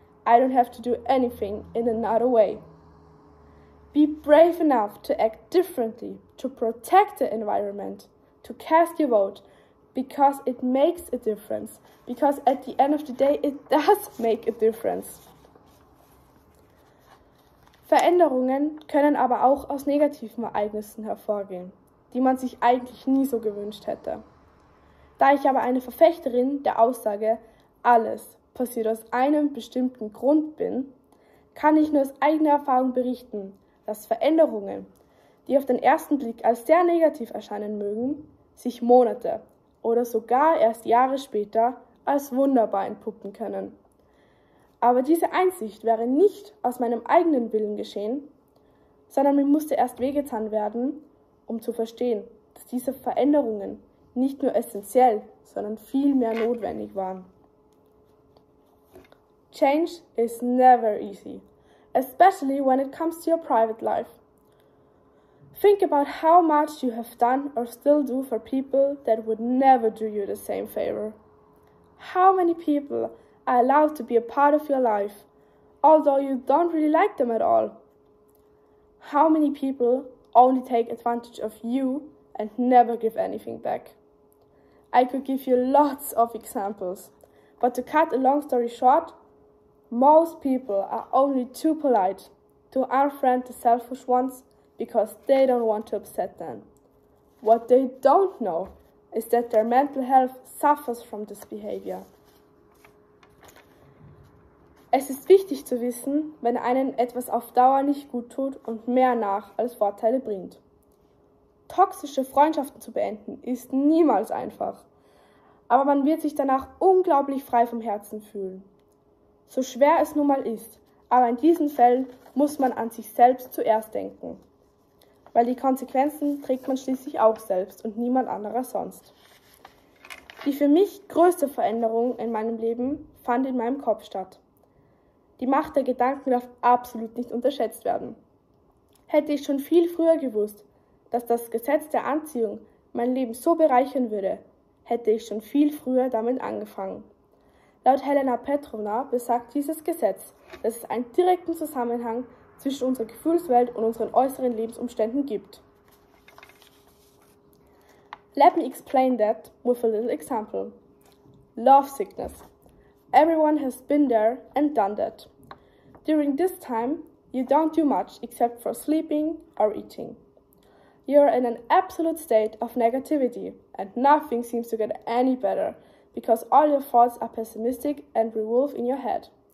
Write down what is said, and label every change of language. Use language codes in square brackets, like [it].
[en] I don't have to do anything in another way. Be brave enough to act differently, to protect the environment, to cast your vote, because it makes a difference, because at the end of the day, it does make a difference. [de] Veränderungen können aber auch aus negativen Ereignissen hervorgehen, die man sich eigentlich nie so gewünscht hätte. Da ich aber eine Verfechterin der Aussage, alles passiert aus einem bestimmten Grund bin, kann ich nur aus eigener Erfahrung berichten, dass Veränderungen, die auf den ersten Blick als sehr negativ erscheinen mögen, sich Monate oder sogar erst Jahre später als wunderbar entpuppen können. Aber diese Einsicht wäre nicht aus meinem eigenen Willen geschehen, sondern mir musste erst wehgetan werden, um zu verstehen, dass diese Veränderungen nicht nur essentiell, sondern vielmehr notwendig waren. [en] Change is never easy, especially when it comes to your private life. Think about how much you have done or still do for people that would never do you the same favor. How many people are allowed to be a part of your life, although you don't really like them at all? How many people only take advantage of you and never give anything back? I could give you lots of examples, but to cut a long story short, most people are only too polite to unfriend the selfish ones because they don't want to upset them. What they don't know is that their mental health suffers from this behavior. [de] Es ist wichtig zu wissen, wenn einen etwas auf Dauer nicht gut tut und mehr nach als Vorteile bringt. Toxische Freundschaften zu beenden ist niemals einfach, aber man wird sich danach unglaublich frei vom Herzen fühlen. So schwer es nun mal ist, aber in diesen Fällen muss man an sich selbst zuerst denken, weil die Konsequenzen trägt man schließlich auch selbst und niemand anderer sonst. Die für mich größte Veränderung in meinem Leben fand in meinem Kopf statt. Die Macht der Gedanken darf absolut nicht unterschätzt werden. hätte ich schon viel früher gewusst, dass das Gesetz der Anziehung mein Leben so bereichern würde, hätte ich schon viel früher damit angefangen. Laut Helena Petrovna besagt dieses Gesetz, dass es einen direkten Zusammenhang zwischen unserer Gefühlswelt und unseren äußeren Lebensumständen gibt. [en] Let me explain that with a little example. Love sickness. Everyone has been there and done that. During this time, you don't do much except for sleeping or eating. You're in an absolute state of negativity and nothing seems to get any better because all your thoughts are pessimistic and revolve in your head.